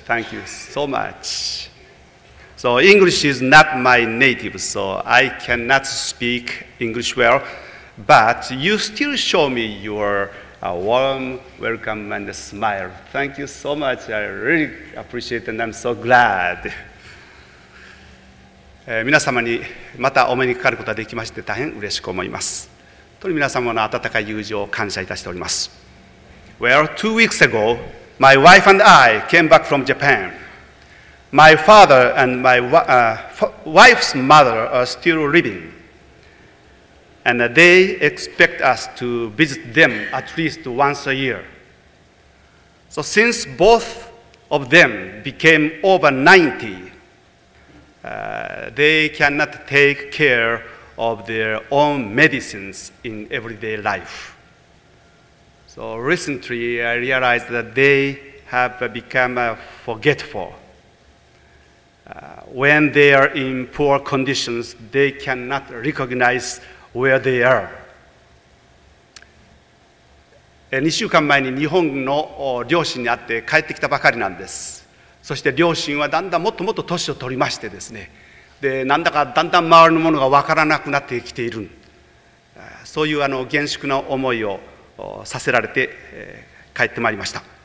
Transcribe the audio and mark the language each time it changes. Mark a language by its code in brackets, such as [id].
[en] Thank you so much. So English is not my native, so I cannot speak English well, but you still show me your a warm welcome and a smile. Thank you so much. I really appreciate it and I'm so glad. [ja] 皆様にまたお目にかかることができまして大変嬉しく思います。本当に皆様の温かい友情を感謝いたしております。 [en] Well, 2 weeks ago, my wife and I came back from Japan. My father and my wife's mother are still living. And they expect us to visit them at least once a year. So since both of them became over 90, they cannot take care of their own medicines in everyday life. So recently I realized that they have become forgetful. When they are in poor conditions, they cannot recognize where they are. [ja] 2週間前に日本の両親に会って帰ってきたばかりなんです。そして両親はだんだんもっともっと年を取りましてですね。で、なんだかだんだん周りのものが分からなくなってきている。そういう厳粛な思いをさせられて帰ってまいりました。